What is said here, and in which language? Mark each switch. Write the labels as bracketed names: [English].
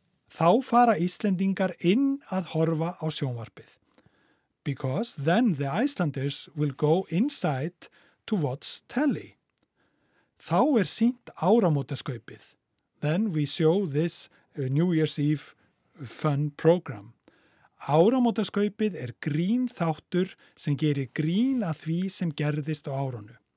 [Icelandic] Þá fara Íslendingar inn að horfa á sjónvarpið. [English] Because then the Icelanders will go inside to watch telly. [Icelandic] Þá sýnt áramótaskaupið. [English] Then we show this New Year's Eve fun program. [Icelandic] Áramótaskaupið grín þáttur sem gerir grín að því sem gerðist á árunu.